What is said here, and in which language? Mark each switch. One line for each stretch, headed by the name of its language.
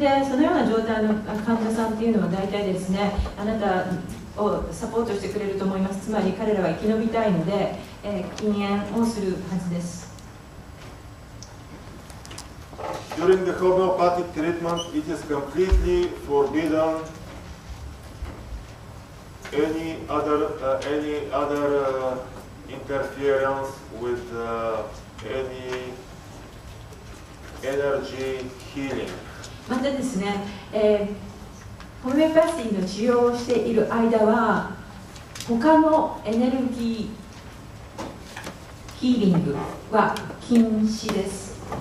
Japanese: で、そのような状態の患者さんというのは大体ですね、あなたをサポートしてくれると思います。つまり彼らは生き延びたいので、禁煙をするはずです。
English: During the homeopathic treatment, it is completely forbidden. Any other interference with any energy healing.
Japanese: またですね、ホメオパシーの治療をしている間は他のエネルギーヒーリングは禁止です。